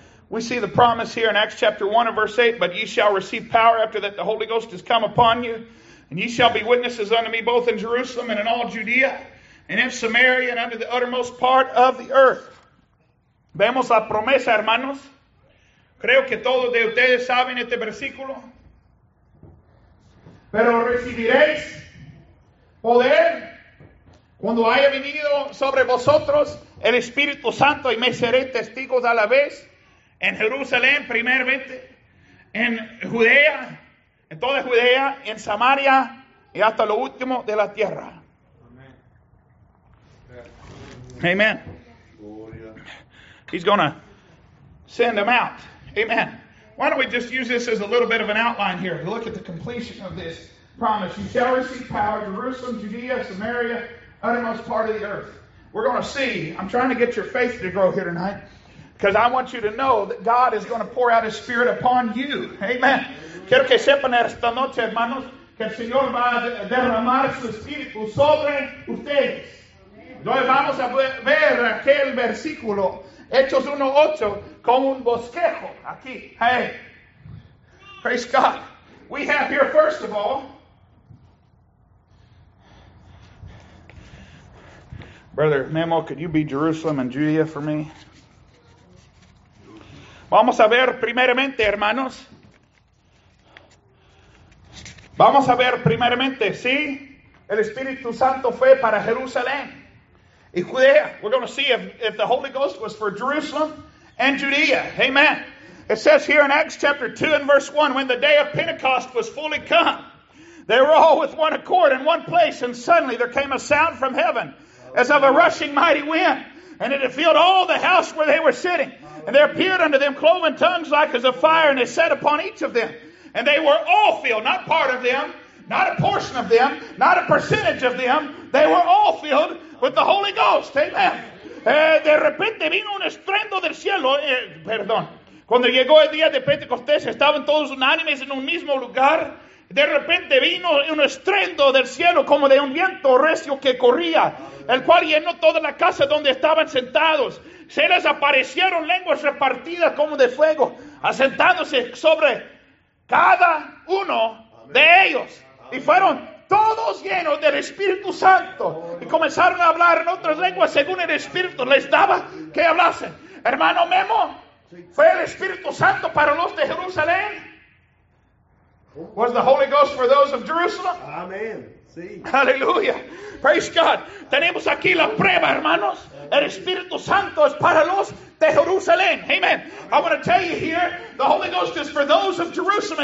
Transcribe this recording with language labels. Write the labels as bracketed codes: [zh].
[en] We see the promise here in Acts chapter 1 and verse 8, but ye shall receive power after that the Holy Ghost has come upon you. And ye shall be witnesses unto me both in Jerusalem and in all Judea and in Samaria and unto the uttermost part of the earth. [es] Vemos la promesa, hermanos. Creo que todos de ustedes saben este versículo. Pero recibiréis poder cuando haya venido sobre vosotros el Espíritu Santo y me seré testigos a la vez en Jerusalén primeramente, en Judea, en toda Judea, en Samaria y hasta lo último de la tierra. [en] Amen. He's going to send them out. Amen. Why don't we just use this as a little bit of an outline here. Look at the completion of this promise. You shall receive power, Jerusalem, Judea, Samaria, uttermost part of the earth. We're going to see. I'm trying to get your faith to grow here tonight. Because I want you to know that God is going to pour out His Spirit upon you. Amen. [es] Quiero que sepan esta noche, hermanos, que el Señor va a derramar su espíritu sobre ustedes. Entonces vamos a ver aquel versículo, Hechos 1:8, con un bosquejo aquí. [en] Hey, praise God. We have here, first of all, Brother Memo, could you be Jerusalem and Judea for me? [es] Vamos a ver primeramente, hermanos. Vamos a ver primeramente, sí, el Espíritu Santo fue para Jerusalén y Judea. [en] We're going to see if the Holy Ghost was for Jerusalem and Judea. Amen. It says here in Acts chapter 2 and verse 1, when the day of Pentecost was fully come, They were all with one accord in one place, and suddenly there came a sound from heaven as of a rushing mighty wind, and it filled all the house where they were sitting. And there appeared unto them cloven tongues like as a fire, and they set upon each of them. And they were all filled, not part of them, not a portion of them, not a percentage of them. They were all filled with the Holy Ghost. [es] Amen. De repente vino un estruendo del cielo. Perdón. Cuando llegó el día de Pentecostés, estaban todos unánimes en un mismo lugar. De repente vino un estruendo del cielo como de un viento recio que corría, el cual llenó toda la casa donde estaban sentados. Se les aparecieron lenguas repartidas como de fuego, asentándose sobre cada uno de ellos. Y fueron todos llenos del Espíritu Santo y comenzaron a hablar en otras lenguas según el Espíritu les daba que hablasen. Hermano Memo, ¿fue el Espíritu Santo para los de Jerusalén? [en] Was the Holy Ghost for those of Jerusalem? [es] Amen. Sí. Hallelujah. [en] Praise God. [es] Tenemos aquí la prueba, hermanos. El Espíritu Santo es para los de Jerusalén. Amen. [en] I want to tell you here, the Holy Ghost is for those of Jerusalem.